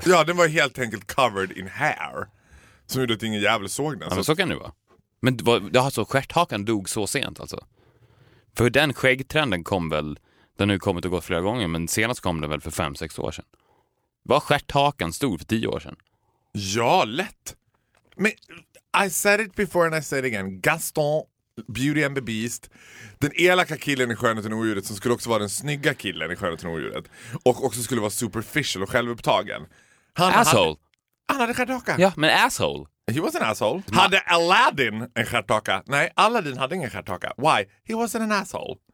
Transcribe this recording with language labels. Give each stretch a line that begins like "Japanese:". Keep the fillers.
Swedish: ja den var helt enkelt
English: covered in hair.
Swedish: Som gjorde att ingen jävel såg den. Ja, Så men så kan det vara. Men vad- det har alltså, stjärthakan dog så sent alltså? För den skäggtrenden kom väl, den har ju kommit och gått flera gånger, men senast kom den väl för fem sex år sedan. Var stjärthakan stor för tio år sedan? Ja, lätt.
English: Men I said it before and I said it again.
Swedish: Gaston, Beauty and the Beast, den elaka killen i Skönheten och odjuret som skulle också vara den snygga killen i Skönheten och odjuret och också skulle vara superficial och självupptagen. Han
English: Asshole!
Swedish: Hade, han hade stjärthaka. Ja, men asshole!
English: He was an asshole.
Swedish: Hade Aladdin en stjärthaka? Nej, Aladdin hade ingen stjärthaka.
English: Why? He wasn't an asshole.